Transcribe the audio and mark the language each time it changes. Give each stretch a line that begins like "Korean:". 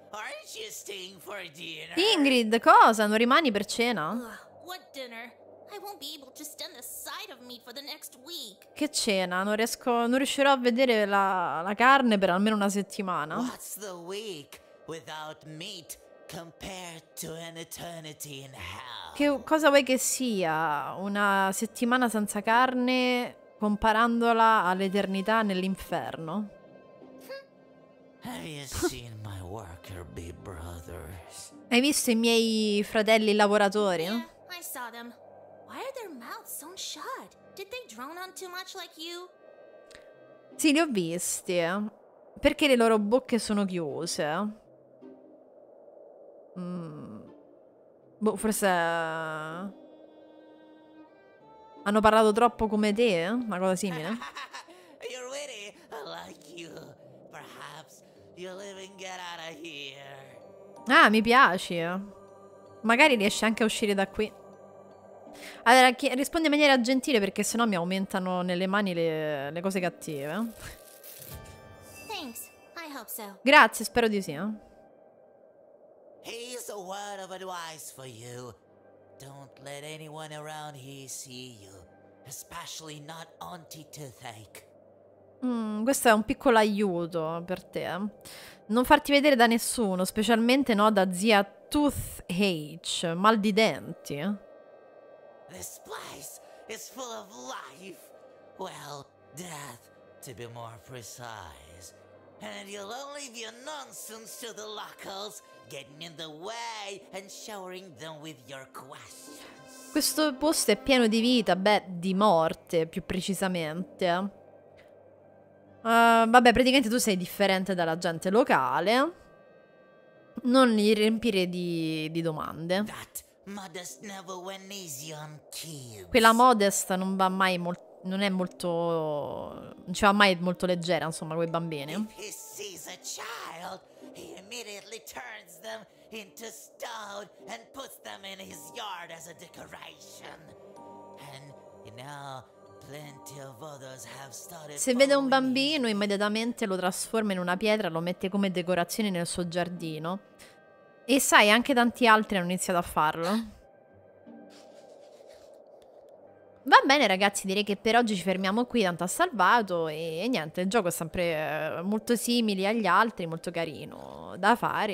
English: Aren't you staying for dinner?
Italian: Ingrid, cosa? Non rimani per cena?
English: What dinner? I won't be able to stand the sight of meat for the next week.
Italian: Che cena? Non riesco, non riuscirò a vedere la carne per almeno una settimana.
English: What's the week without meat compared to an eternity in hell?
Italian: Che cosa vuoi che sia una settimana senza carne comparandola all'eternità nell'inferno?
English: Have you seen my worker bee brothers?
Italian: Hai visto i miei fratelli lavoratori?
English: Yeah, I saw them. Why are their mouths so shut? Did they drone on too much like you?
Italian: Sì, li ho visti. Perché le loro bocche sono chiuse? Boh, forse... hanno parlato troppo come te? Una cosa simile?
English: You're witty, like you. Perhaps you'll even get out of here.
Italian: Ah, mi piaci. Magari riesci anche a uscire da qui. Allora, rispondi in maniera gentile perché sennò mi aumentano nelle mani le cose cattive.
English: Thanks. I hope so.
Italian: Grazie, spero di sì.
English: Here's a word of advice for you. Don't let anyone around here see you, especially not Auntie Toothache.
Italian: Questo è un piccolo aiuto per te. Non farti vedere da nessuno, specialmente no da zia Toothache, mal di denti.
English: This place is full of life. Well, death, to be more precise. And you'll only be a nonsense to the locals, getting in the way and showering them with your questions.
Italian: Questo posto è pieno di vita, beh, di morte, più precisamente. Vabbè, praticamente tu sei differente dalla gente locale. Non li riempire di domande.
English: That. Modest never went easy on kids.
Italian: Quella modest non va mai non è molto, non ci va mai molto leggera, insomma, quei bambini.
English: If he sees a child, he immediately turns them into stone and puts them in his yard as a decoration. And now plenty of others have started.
Italian: Se vede un bambino, immediatamente lo trasforma in una pietra, lo mette come decorazione nel suo giardino. E sai, anche tanti altri hanno iniziato a farlo. Va bene ragazzi, direi che per oggi ci fermiamo qui, tanto ha salvato e niente, il gioco è sempre molto simile agli altri, molto carino da fare.